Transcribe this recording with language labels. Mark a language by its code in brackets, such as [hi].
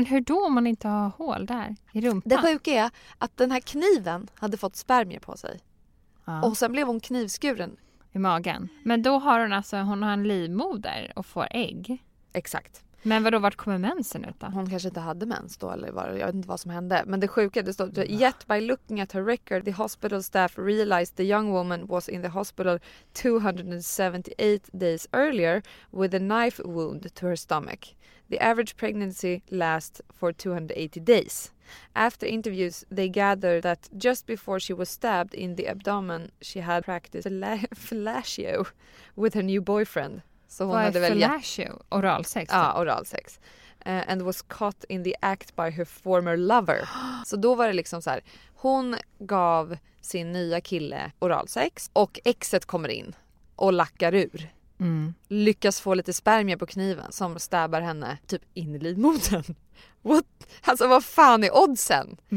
[sv] Men hur då om man inte har hål där i rumpan? Det sjuka är att den här kniven hade fått spermier på sig. Ja. Och sen blev hon knivskuren. I magen. Men då har hon alltså, hon har en livmoder och får ägg. Exakt. Men vadå, vart kommer mensen ut då? Hon kanske inte hade mens då, eller var, jag vet inte vad som hände. Men det sjuka, det stod, [en] yet by looking at her record, the hospital staff realized the young woman was in the hospital 278 days earlier with a knife wound to her stomach. The average pregnancy lasts for 280 days. After interviews, they gathered that just before she was stabbed in the abdomen, she had practiced fellatio with her new boyfriend. [sv] Så hon hade väl fellatio? Oralsex? Ja, oralsex. [en] And was caught in the act by her former lover. [sv] Så då var det liksom så här. Hon gav sin nya kille oralsex. Och exet kommer in och lackar ur. Mm. Lyckas få lite spermier på kniven som stäbbar henne typ in i livmodern. [en] What? [sv] Alltså vad fan är oddsen?